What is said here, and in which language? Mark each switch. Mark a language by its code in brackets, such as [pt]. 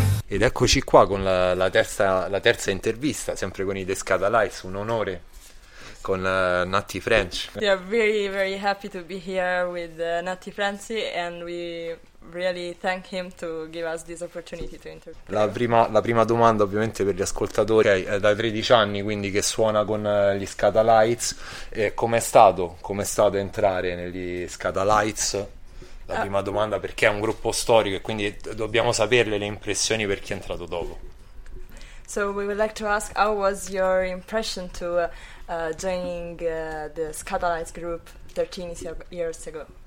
[it] Ed eccoci qua con la terza intervista, sempre con i Descada Lights, un onore con Natty French. [en] We are very, very happy to be here with Natty French and we really thank him to give us this opportunity to interview. [it] La prima domanda ovviamente per gli ascoltatori, okay, è da 13 anni quindi che suona con gli Scada Lights, com'è stato entrare negli Scada Lights? La prima domanda, perché è un gruppo storico e quindi dobbiamo saperle le impressioni per chi è entrato dopo. [en] So we would like to ask, how was your impression to joining the Scada Lights group 13 years ago?